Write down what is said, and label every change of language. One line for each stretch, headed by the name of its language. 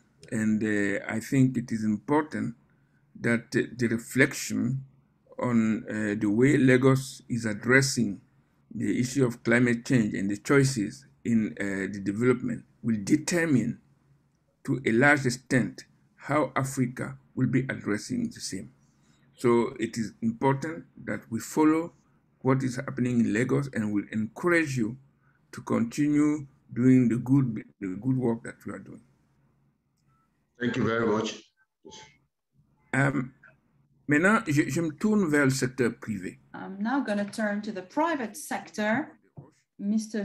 English: And I think it is important that the reflection on the way Lagos is addressing the issue of climate change and the choices in the development will determine to a large extent how Africa will be addressing the same. So it is important that we follow what is happening in Lagos, and we encourage you to continue doing the good work that you are doing. Thank you very much.
French: Maintenant, je me tourne vers le secteur privé.
English: I'm now going to turn to the private sector, Mr.